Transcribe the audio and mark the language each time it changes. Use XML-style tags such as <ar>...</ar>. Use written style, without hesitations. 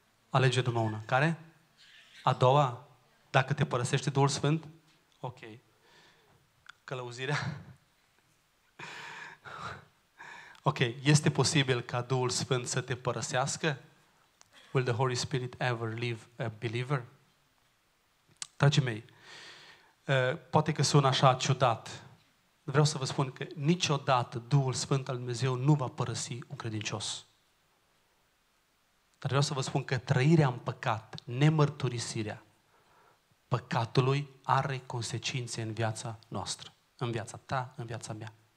<ro>Alege numai una. Care? A doua? Dacă te părăsește Duhul Sfânt? Ok. Călăuzirea? Ok. Este posibil ca Duhul Sfânt să te părăsească?</ro> <en>Will the Holy Spirit ever leave a believer?</en> <ro>Dragii mei, poate că sună așa ciudat. Vreau să vă spun că niciodată Duhul Sfânt al Dumnezeu nu va părăsi un credincios. Dar vreau să vă spun că trăirea în păcat, nemărturisirea păcatului are consecințe în viața noastră, în viața ta, în viața mea.</ro>